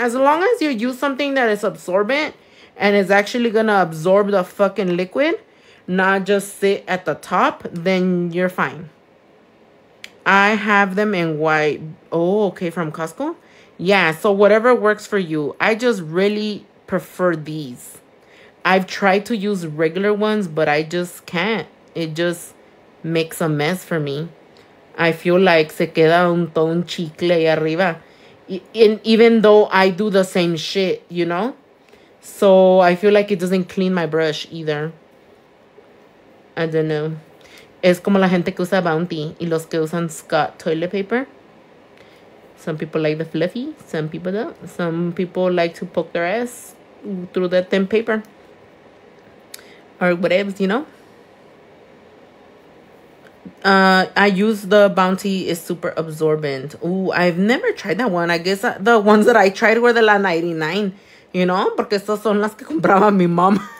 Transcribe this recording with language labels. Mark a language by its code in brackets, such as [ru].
[en] As long as you use something that is absorbent and is actually going to absorb the fucking liquid, not just sit at the top, then you're fine. I have them in white. Oh, okay, from Costco. Yeah, so whatever works for you. I just really prefer these. I've tried to use regular ones, but I just can't. It just makes a mess for me. I feel like [es] se queda un ton chicle ahí arriba. [en] And even though I do the same shit, you know? So I feel like it doesn't clean my brush either. I don't know. [es] Es como la gente que usa Bounty y los que usan Scott toilet paper. [en] Some people like the fluffy. Some people don't. Some people like to poke their ass through the thin paper. Or whatevs, you know? I use the Bounty. It's super absorbent. Ooh, I've never tried that one. I guess the ones that I tried were the La 99. You know? [es] Porque estas son las que compraba mi mom.